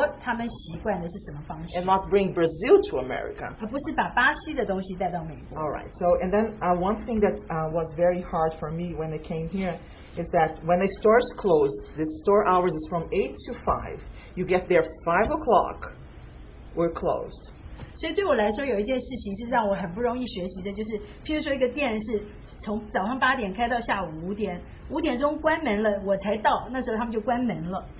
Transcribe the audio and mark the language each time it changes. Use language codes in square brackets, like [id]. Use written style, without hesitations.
[zh] 所以我在美国，我就要学会在美国他们习惯的是什么方式。 [en] And not bring Brazil to America. [zh] 而不是把巴西的东西带到美国。 [en] All right. So and then one thing that was very hard for me when I came here. Is that when the stores close, the store hours is from 8 to 5. You get there 5 o'clock, we're closed. [zh] 所以对我来说有一件事情是让我很不容易学习的，就是譬如说一个店是从早上8点开到下午5点，5点钟关门了，我才到，那时候他们就关门了。